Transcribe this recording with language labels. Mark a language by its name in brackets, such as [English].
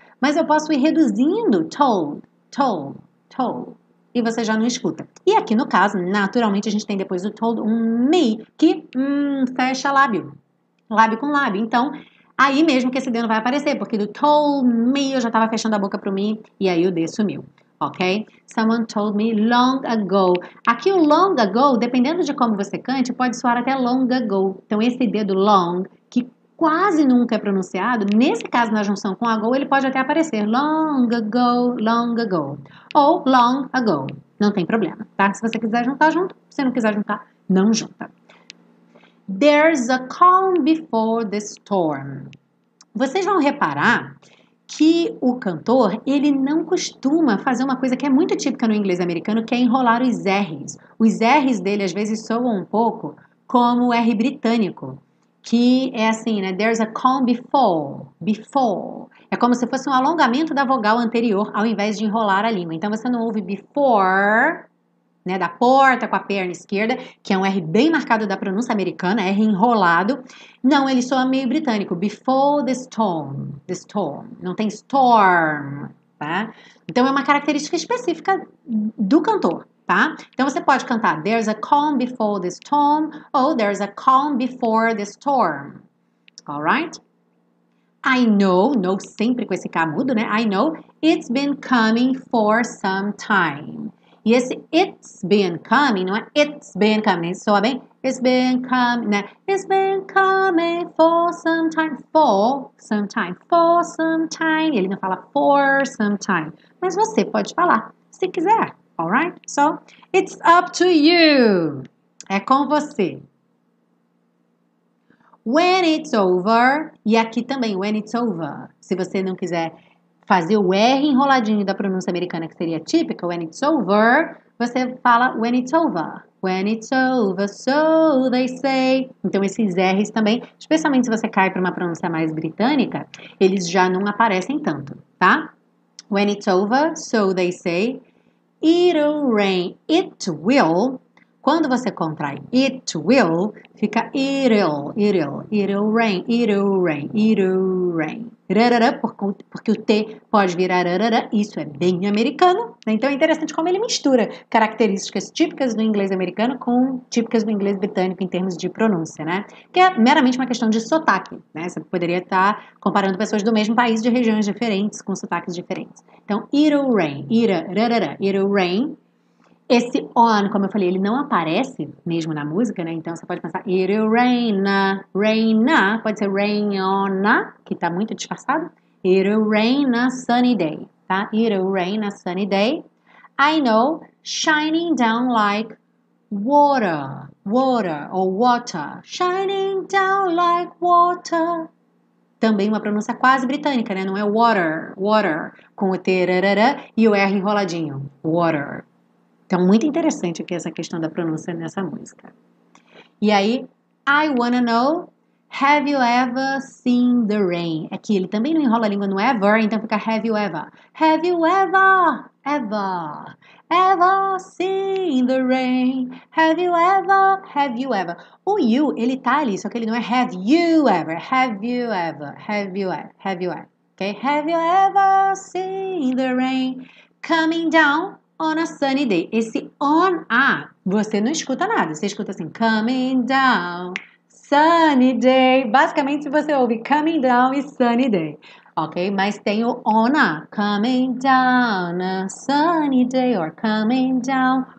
[Portuguese] Mas eu posso ir reduzindo, told, told, told, e você já não escuta. E aqui no caso, naturalmente, a gente tem depois do told um me, que fecha lábio, lábio com lábio. Então, aí mesmo que esse D não vai aparecer, porque do [English] told me [Portuguese] eu já estava fechando a boca para o me, e aí o D sumiu. Ok? [English] Someone told me long ago. [Portuguese] Aqui o [English] long ago, [Portuguese] dependendo de como você cante, pode soar até long ago. Então, esse D do long, que quase nunca é pronunciado, nesse caso, na junção com ago, ele pode até aparecer. [English] Long ago, long ago. [Portuguese] Ou [English] long ago. [Portuguese] Não tem problema, tá? Se você quiser juntar, junto. Se não quiser juntar, não junta. [English] There's a calm before the storm. [Portuguese] Vocês vão reparar que o cantor, ele não costuma fazer uma coisa que é muito típica no inglês americano, que é enrolar os R's. Os R's dele, às vezes, soam um pouco como o R britânico, que é assim, né? [English] There's a calm before, before. [Portuguese] É como se fosse um alongamento da vogal anterior, ao invés de enrolar a língua. Então, você não ouve before, né? Da porta com a perna esquerda, que é um R bem marcado da pronúncia americana, R enrolado. Não, ele soa meio britânico. [English] Before the storm, [Portuguese] não tem storm, tá? Então é uma característica específica do cantor, tá? Então você pode cantar [English] There's a calm before the storm [Portuguese] ou [English] There's a calm before the storm. Alright? I know, [Portuguese] no sempre com esse K mudo, né? [English] I know it's been coming for some time. [Portuguese] E esse [English] it's been coming, [Portuguese] não é it's been coming, soa bem? [English] It's been coming, né? It's been coming for some time, for some time, for some time. [Portuguese] Ele não fala [English] for some time, [Portuguese] mas você pode falar, se quiser, [English] alright? So, it's up to you. [Portuguese] É com você. [English] When it's over, [Portuguese] e aqui também, [English] when it's over, [Portuguese] se você não quiser fazer o R enroladinho da pronúncia americana, que seria típica, when it's over, você fala when it's over. [English] When it's over, so they say. [Portuguese] Então, esses R's também, especialmente se você cai para uma pronúncia mais britânica, eles já não aparecem tanto, tá? [English] When it's over, so they say. It'll rain. It will. [Portuguese] Quando você contrai [English] it will, [Portuguese] fica [English] it'll, it'll, it'll rain, it'll rain, it'll rain. [Portuguese] Rarara, porque o T pode virar rarara, isso é bem americano. Né? Então é interessante como ele mistura características típicas do inglês americano com típicas do inglês britânico em termos de pronúncia, né? Que é meramente uma questão de sotaque, né? Você poderia estar comparando pessoas do mesmo país de regiões diferentes com sotaques diferentes. Então, [English] it'll rain, ira, rarara, it'll rain. [Portuguese] Esse on, como eu falei, ele não aparece mesmo na música, né? Então você pode pensar [English] It'll rain na, rain na, [Portuguese] pode ser [English] rain on na, [Portuguese] que tá muito disfarçado. [English] It'll rain na sunny day, [Portuguese] tá? [English] It'll rain na sunny day. I know, shining down like water, water [Portuguese] ou [English] water. Shining down like water. [Portuguese] Também uma pronúncia quase britânica, né? Não é water, water, com o T rarara e o R enroladinho. Water. Então, muito interessante aqui essa questão da pronúncia nessa música. E aí, [English] I wanna know, have you ever seen the rain? [Portuguese] É que ele também não enrola a língua no ever, então fica [English] have you ever? Have you ever, ever, ever seen the rain? Have you ever, have you ever? [Portuguese] O you, ele tá ali, só que ele não é [English] have you ever, have you ever, have you ever, have you ever. Okay? Have you ever seen the rain coming down? On a sunny day. [Portuguese] Esse [English] on a, [Portuguese] você não escuta nada. Você escuta assim, [English] coming down, sunny day. [Portuguese] Basicamente, você ouve [English] coming down [Portuguese] e [English] sunny day. Ok? [Portuguese] Mas tem o [English] on a. Coming down, a sunny day, or coming down